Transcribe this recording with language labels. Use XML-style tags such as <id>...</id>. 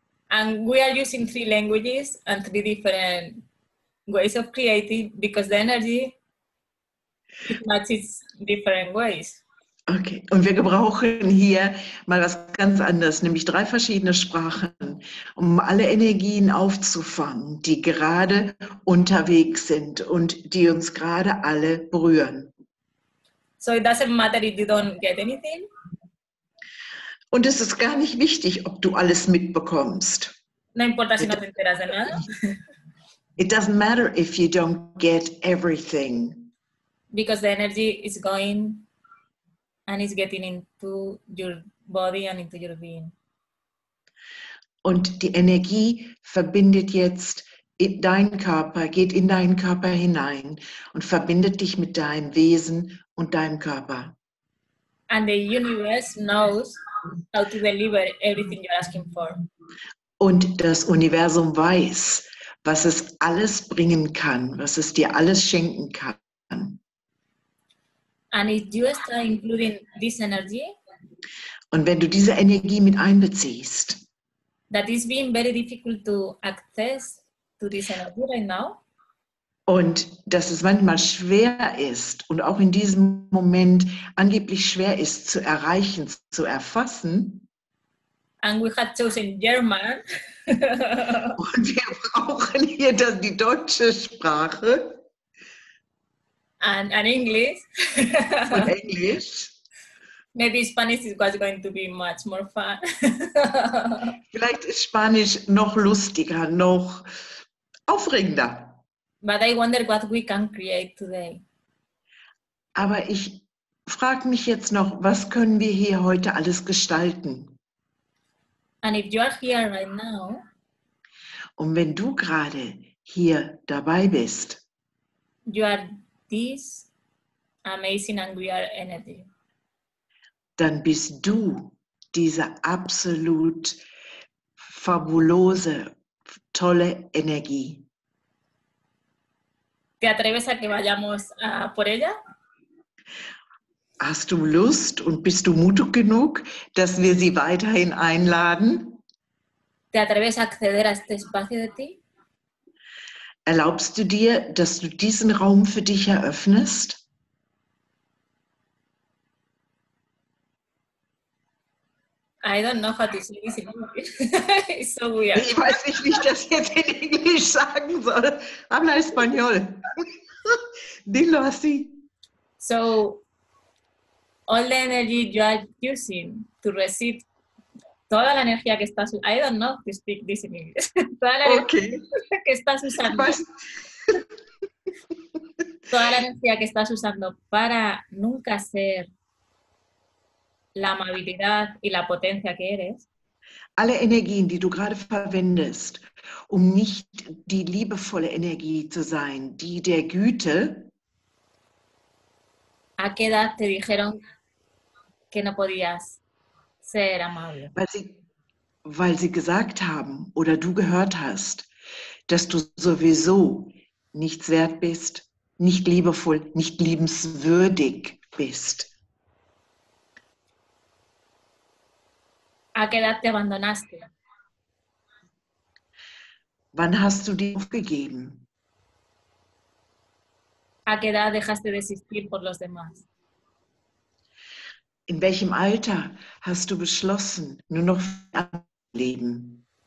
<en>And we are using three languages and three different ways of creating because the energy matches different ways.</en> <de>Okay, und wir gebrauchen hier mal was ganz anderes, nämlich drei verschiedene Sprachen, um alle Energien aufzufangen, die gerade unterwegs sind und die uns gerade alle berühren.</de> <en>So it doesn't matter if you don't get anything.</en> <de>Und es ist gar nicht wichtig, ob du alles mitbekommst.</de> <es>No importa si no te enteras de nada.</es> <en>It doesn't matter if you don't get everything. Because the energy is going and it's getting into your body and into your being.</en> <de>Und die Energie verbindet jetzt in deinen Körper, geht in deinen Körper hinein und verbindet dich mit deinem Wesen und deinem Körper.</de> <en>And the universe knows how to deliver everything you're asking for.</en> <de>Und das Universum weiß, was es alles bringen kann, was es dir alles schenken kann.</de> <en>And if you start including this energy,</en> <de>und wenn du diese Energie mit einbeziehst,</de> <en>that is being very difficult to access to this energy right now.</en> <de>Und dass es manchmal schwer ist und auch in diesem Moment angeblich schwer ist zu erreichen, zu erfassen.</de> <en>And we have chosen German.</en> <de>Und wir brauchen hier dann die deutsche Sprache.</de> <en>And English.</en> <de>Und Englisch.</de> <en>Maybe Spanish is going to be much more fun.</en> <de>Vielleicht ist Spanisch noch lustiger, noch aufregender.</de> <en>But I wonder what we can create today.</en> <de>Aber ich frage mich jetzt noch, was können wir hier heute alles gestalten?</de> <en>And if you are here right now,</en> <de>und wenn du gerade hier dabei bist,</de> <en>you are this amazing and real energy.</en> <de>Dann bist du diese absolut fabulose, tolle Energie.</de> <es>¿Te atreves a que vayamos por ella?</es> <de>Hast du Lust und bist du mutig genug, dass wir sie weiterhin einladen?</de> <es>¿Te atreves a acceder a este espacio de ti?</es> <de>Erlaubst du dir, dass du diesen Raum für dich eröffnest?</de> <en>I don't know how to say this in English. It's so weird.</en> <de>Ich weiß nicht, wie ich das jetzt in Englisch sagen soll.</de> <es>Habla español. Dilo así.</es> <en>So, all the energy you are using to receive,</en> <es>toda la energía que estás usando.</es> <en>I don't know how to speak this in English.</en> <es>Toda la energía que estás usando. Toda la energía que estás usando para nunca ser la amabilidad y la potencia que eres.</es> <de>Alle Energien, die du gerade verwendest, um nicht die liebevolle Energie zu sein, die der Güte.</de> <es>¿A qué edad te dijeron que no podías ser amable?</es> <de>Weil sie, weil sie gesagt haben oder du gehört hast, dass du sowieso nichts wert bist, nicht liebevoll, nicht liebenswürdig bist.</de> <es>¿A qué edad te abandonaste?</es> <de>Wann hast du die aufgegeben?</de> <es>¿A qué edad dejaste de existir por los demás?</es> <de>In welchem Alter hast du beschlossen, nur noch leben?</de>